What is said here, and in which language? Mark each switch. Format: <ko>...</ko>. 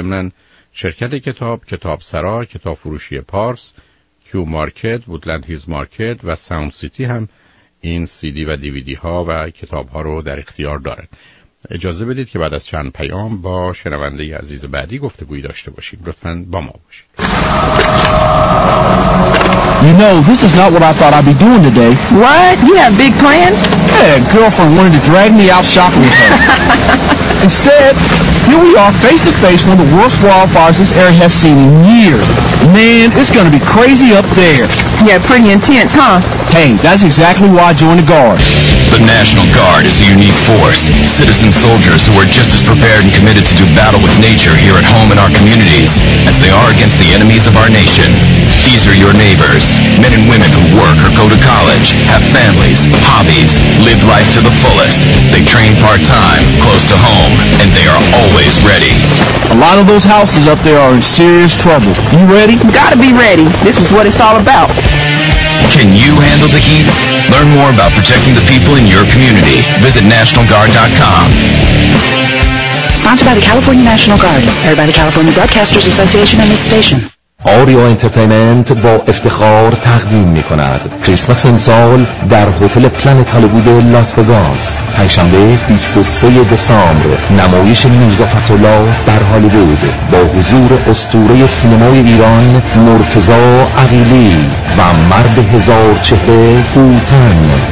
<fa>ضمناً شرکت کتاب، کتاب سرا، کتاب فروشی پارس، کیو مارکت، وودلند هیلز مارکت و ساوند سیتی هم این سی دی و دی وی دی ها و کتاب ها رو در اختیار دارد. اجازه بدید که بعد از چند پیام با شنونده عزیز بعدی گفتگویی داشته باشیم. لطفاً با ما باشید.</fa> <en>You know, this is not what I thought I'd be doing today. What? You have big plans? Hey, girlfriend wanted to drag me out shopping with her. Instead, here we are face to face with one of the worst wildfires this area has seen in years. Man, it's going to be crazy up there. Yeah, pretty intense, huh? Hey, that's exactly why I joined the Guard. The National Guard is a unique force. Citizen soldiers who are just as prepared and committed to do battle with nature here at home in our communities as they are against the enemies of our nation. These are your neighbors. Men and women who work or go to college, have families, hobbies, live life to the fullest. They train part-time, close to home, and they are always ready. A lot of those houses up there are in serious trouble. You ready? Gotta be ready. This is what it's all about. Can you handle the heat? Learn more about protecting the people in your community. Visit NationalGuard.com. Sponsored by the California National Guard. Heard by the California Broadcasters Association and this station.</en> <fa>آریو انترتینمنت با افتخار تقدیم می کند کریسمس امسال در هتل پلنت هالیوود لاس وگاس. پنجشنبه 23 دسامبر نمایش میرزا فتح‌الله در هالیوود با حضور اسطوره سینمای ایران مرتضی عقیلی و مرد هزار چهره فوتن.</fa>